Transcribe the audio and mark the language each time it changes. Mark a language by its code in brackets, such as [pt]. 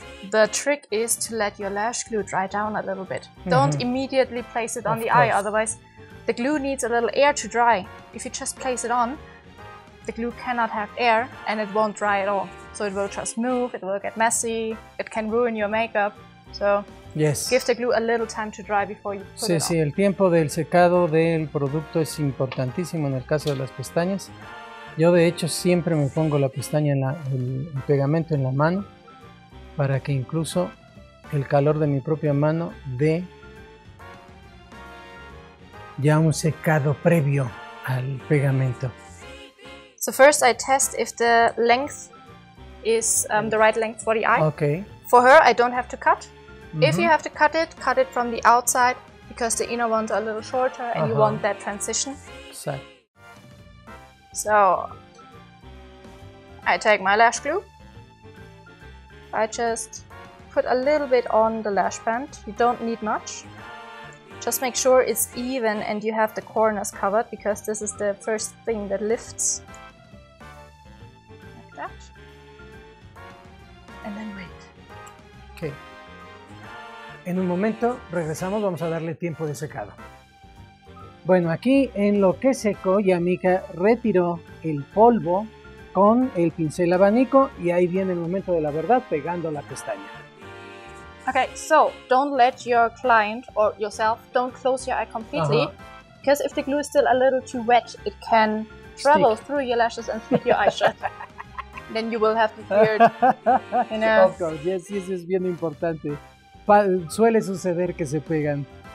[en] The trick is to let your lash glue dry down a little bit. Don't immediately place it on the eye, otherwise the glue needs a little air to dry. If you just place it on, the glue cannot have air and it won't dry at all. So it will just move, it will get messy, it can ruin your makeup. So Yes. Give the glue a little time to dry before you put [es] sí, [en] it on. [es] Sí, el tiempo del secado del producto es importantísimo en el caso de las pestañas. Yo de hecho siempre me pongo la pestaña en el pegamento en la mano para que incluso el calor de mi propia mano dé ya un secado previo al pegamento. [en] So first I test if the length is the right length for the eye. Okay. For her I don't have to cut. Mm-hmm. If you have to cut it from the outside because the inner ones are a little shorter and you want that transition. Exactly. So, I take my lash glue, I just put a little bit on the lash band, you don't need much. Just make sure it's even and you have the corners covered, because this is the first thing that lifts. Like that. And then wait. Okay. [es] En un momento regresamos, vamos a darle tiempo de secado. Bueno, aquí en lo que secó, Yamika retiró el polvo con el pincel abanico y ahí viene el momento de la verdad pegando la pestaña. [en] Okay, so don't let your client or yourself don't close your eye completely, because if the glue is still a little too wet, it can travel through your lashes and stick your eye shut. Then you will have the beard. Of course, yes, yes, [es] es bien importante. Suele suceder que se pegan.